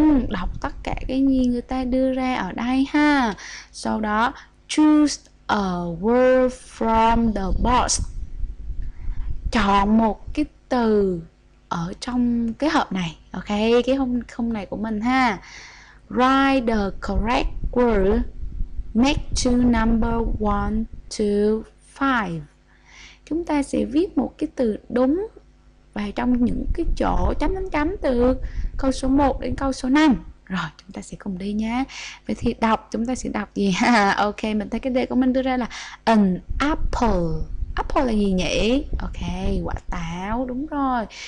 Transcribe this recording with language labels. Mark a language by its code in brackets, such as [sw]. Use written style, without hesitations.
[vi] Đọc tất cả cái gì người ta đưa ra ở đây ha. Sau đó, [en] choose a word from the box. [vi] Chọn một cái từ ở trong cái hộp này, ok, cái không không này của mình ha. [en] Write the correct word next to number 1 to 5. [vi] Chúng ta sẽ viết một cái từ đúng vào trong những cái chỗ chấm chấm chấm từ câu số 1 đến câu số 5. Rồi, chúng ta sẽ cùng đi nhé. Vậy thì đọc, chúng ta sẽ đọc gì? Ok, mình thấy cái đề của mình đưa ra là an apple. Apple là gì nhỉ? Ok, quả táo, đúng rồi.